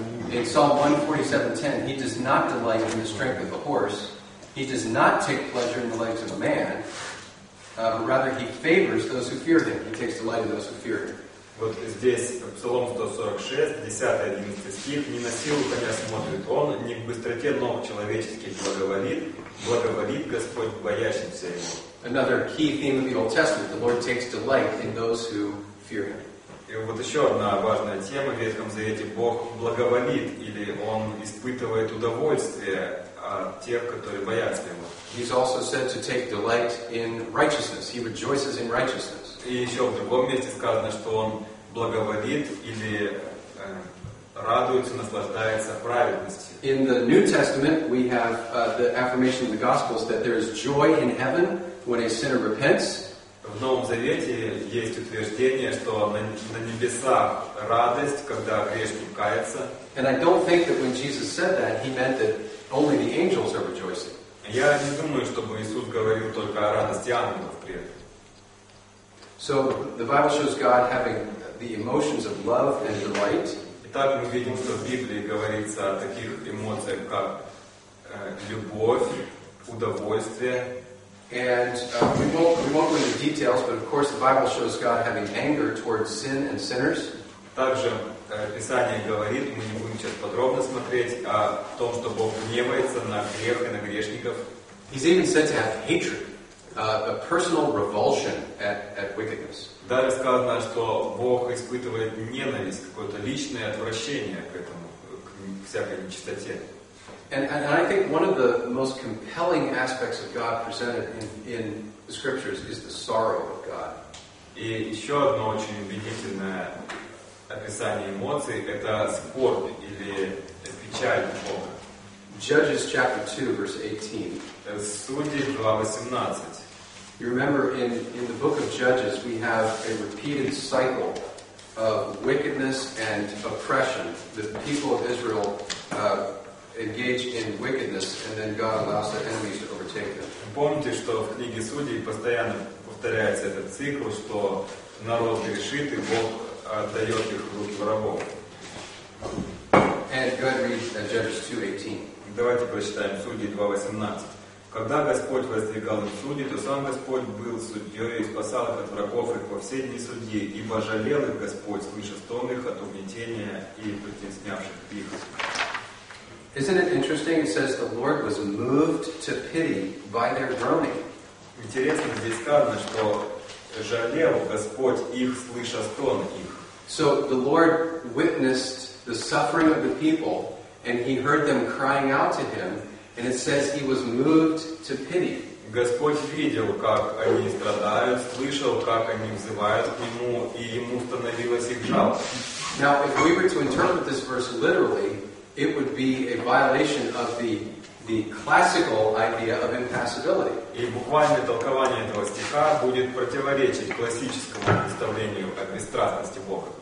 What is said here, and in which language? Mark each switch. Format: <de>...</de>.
<en>In Psalm 147:10, he does not delight in the strength of the horse. He does not take pleasure in the legs of a man, but rather he favors those who fear him. He takes delight in those who fear him.</en> <ru>Вот здесь Псалом 146, 10, 11 стих. Не на силу коня смотрит он, не в быстроте ног человеческих благоволит Господь боящимся его.</ru> <en>Another key theme of the Old Testament: the Lord takes delight in those who fear him.</en> <ru>И вот еще одна важная тема в Ветхом Завете: Бог благоволит или он испытывает удовольствие от тех, которые боятся его.</ru> <en>He's also said to take delight in righteousness. He rejoices in righteousness.</en> <ru>И еще в другом месте сказано, что он благоволит или радуется, наслаждается праведностью.</ru> <en>In the New Testament, we have the affirmation of the Gospels that there is joy in heaven when a sinner repents.</en> <ru>В Новом Завете есть утверждение, что на небесах радость, когда грешник кается.</ru> <en>And I don't think that when Jesus said that, he meant that only the angels are rejoicing.</en> <ru>Я не думаю, чтобы Иисус говорил только о радости ангелов при этом.</ru> <en>So the Bible shows God having the emotions of love and delight.</en> <ru>Итак, мы видим, что в Библии говорится о таких эмоциях, как любовь, удовольствие.</ru> <en>And we won't go into details, but of course the Bible shows God having anger towards sin and sinners.</en> <ru>Также Писание говорит, мы не будем сейчас подробно смотреть, о том, что Бог гневается на грех и на грешников.</ru> <en>He's even said to have hatred, a personal revulsion at wickedness.</en> <ru>Даже сказано, что Бог испытывает ненависть, какое-то личное отвращение к этому, к всякой нечистоте.</ru> <en>And I think one of the most compelling aspects of God presented in the scriptures is the sorrow of God.</en> <ru>И еще одно очень убедительное описание эмоций – это скорбь или печаль Бога.</ru> <en>Judges chapter 2, verse 18.</en> <ru>Судьи, глава 18.</ru> <en>You remember in the book of Judges we have a repeated cycle of wickedness and oppression. The people of Israel engage in wickedness and then God allows the enemies to overtake them.</en> <ru>Помните, что в книге Судей постоянно повторяется этот цикл, что народ грешит и Бог отдает их в руки врагов.</ru> <en>And go ahead and read Judges 2, 18.</en> <ru>Давайте прочитаем Судьи 2.18. «Когда Господь воздвигал им судей, то сам Господь был судьей и спасал их от врагов их во все дни судьи, ибо жалел их Господь, слыша стон их от угнетения и притеснявших их».</ru> <en>Isn't it interesting? It says the Lord was moved to pity by their groaning.</en> <ru>Интересно, здесь сказано, что жалел Господь их, слыша стон их.</ru> <en>So the Lord witnessed the suffering of the people, and he heard them crying out to him, and it says he was moved to pity.</en> <ru>Господь видел, как они страдают, слышал, как они взывают к нему, и ему становилось их жалко.</ru> <en>Now, if we were to interpret this verse literally, it would be a violation of the classical idea of impassibility.</en> <ru>И буквальное толкование этого стиха будет противоречить классическому представлению о бесстрастности Бога.</ru>